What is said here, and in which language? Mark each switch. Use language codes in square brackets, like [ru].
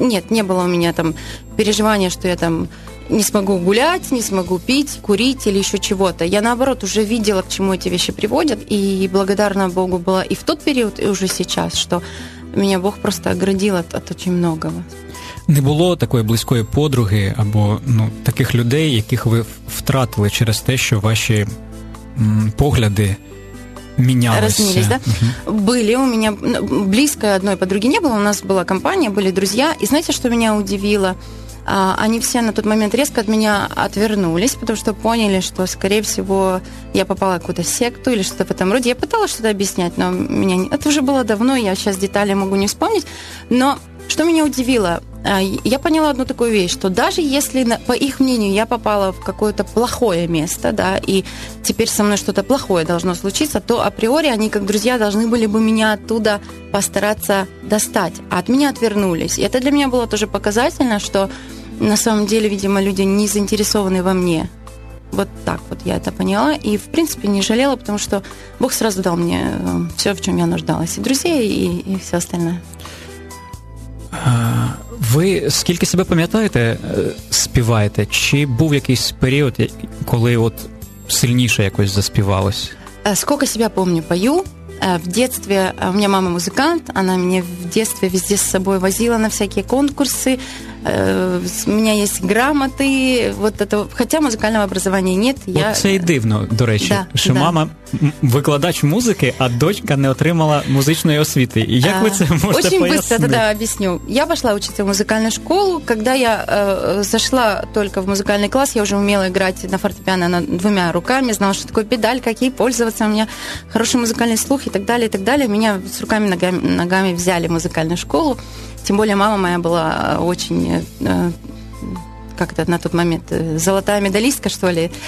[ru] Нет, не было у меня там переживания, что я там не смогу гулять, не смогу пить, курить или еще чего-то. Я наоборот уже видела, к чему эти вещи приводят. И благодарна Богу была и в тот период, и уже сейчас, что меня Бог просто оградил от очень многого. [uk] Не було такої близької подруги або, ну, таких людей, яких ви втратили через те, що ваші погляди [ru] Разнились, да? Угу. Были у меня, близкой одной подруги не было, у нас была компания, были друзья, и знаете, что меня удивило? Они все на тот момент резко от меня отвернулись, потому что поняли, что, скорее всего, я попала в какую-то секту или что-то в этом роде. Я пыталась что-то объяснять, но меня не... это уже было давно, я сейчас детали могу не вспомнить, но что меня удивило? Я поняла одну такую вещь, что даже если, по их мнению, я попала в какое-то плохое место, да, и теперь со мной что-то плохое должно случиться, то априори они, как друзья, должны были бы меня оттуда постараться достать, а от меня отвернулись. И это для меня было тоже показательно, что на самом деле, видимо, люди не заинтересованы во мне. Вот так вот я это поняла, и, в принципе, не жалела, потому что Бог сразу дал мне все, в чем я нуждалась, и друзей, и все остальное. [uk] Ви скільки себе пам'ятаєте, співаєте? Чи був якийсь період, коли от сильніше якось заспівалось? Скільки себе пам'ятаю, пою. В дитинстві, у мене мама музикант, вона мене в дитинстві [ru] везде [uk] з собою возила на всякі конкурси. У мене є грамоти, [ru] вот это, [uk] хоча музикального образування нет. Я... Це і дивно, до речі, да, що да. Мама викладач музики, а дочка не отримала музичної освіти. Як ви це можете [ru] очень [uk] пояснити? [ru] Очень быстро тогда объясню. Я пошла учиться в музикальну школу, когда я зашла только в музикальный класс, я уже умела играть на фортепиано двумя руками, знала, что такое педаль, как ей пользоваться, у меня хороший музыкальный слух и так далее, и так далее. Меня с руками, ногами взяли в музыкальную школу. Тем более мама моя была очень, как это на тот момент, золотая медалистка, что ли.